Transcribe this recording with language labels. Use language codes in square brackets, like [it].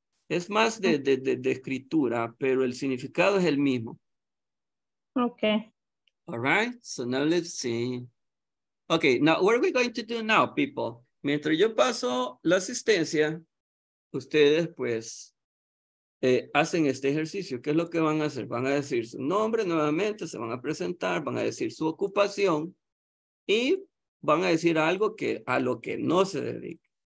[es] Es más de escritura, pero el significado es el mismo. Okay. [en] All right? So now let's see. Okay, now what are we going to do now, people? [es] Mientras yo paso la asistencia, ustedes pues hacen este ejercicio. ¿Qué es lo que van a hacer? Van a decir su nombre nuevamente, se van a presentar, van a decir su ocupación y van a decir algo que a lo que no se dedique.